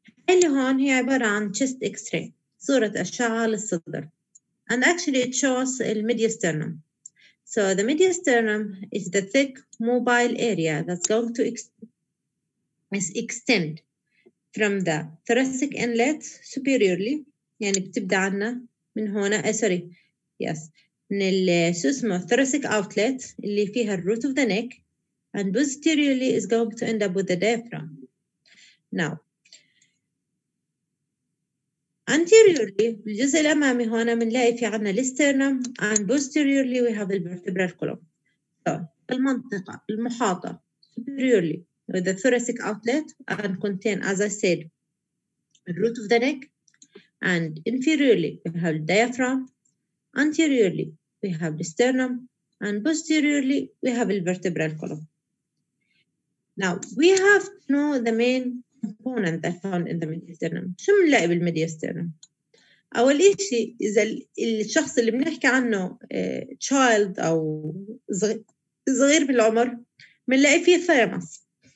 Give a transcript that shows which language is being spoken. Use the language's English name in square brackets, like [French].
[Arabic] اللي هون هي عبارة عن chest X-ray، صورة أشعة للصدر. [English] And actually it shows the mediastinum. So the mediastinum is the thick mobile area that's going to extend from the thoracic inlet superiorly. [Arabic] يعني بتبدأ عنا من هنا، من ال اسمه thoracic outlet اللي فيها root of the neck. [English] And posteriorly is going to end up with the diaphragm. Now. Anteriorly, [Arabic] الجزء الأمامي هنا بنلاقي في عنا الاسترنم [English] and posteriorly we have the vertebral column. So, [Arabic] المنطقة المحاطة [English] superiorly with the thoracic outlet and contain, as I said, the root of the neck and inferiorly we have the diaphragm. Anteriorly, we have the sternum and posteriorly we have the vertebral column. Now, we have to know the main component that found in the mediastinum. [Arabic] شو بنلاقي بالمديسترنم؟ أول إشي إذا الشخص اللي بنحكي عنه child أو صغير بالعمر بنلاقي فيه thymus.